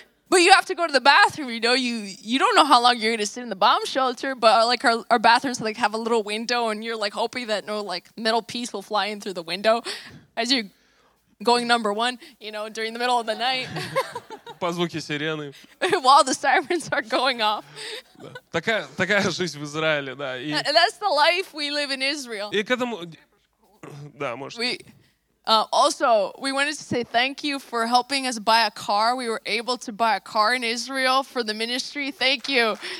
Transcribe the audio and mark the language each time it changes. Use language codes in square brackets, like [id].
[en] But you have to go to the bathroom, you know. You don't know how long you're going to sit in the bomb shelter, but like our bathrooms like have a little window, and you're like hoping that no like metal piece will fly in through the window as you're going number one, you know, during the middle of the night. [ru] По звуке сирены. [en] While the sirens are going off. [ru] Такая жизнь в Израиле, да. [en] That's the life we live in Israel. [ru] И к этому... Да, может. [en] Also, we wanted to say thank you for helping us buy a car. We were able to buy a car in Israel for the ministry. Thank you.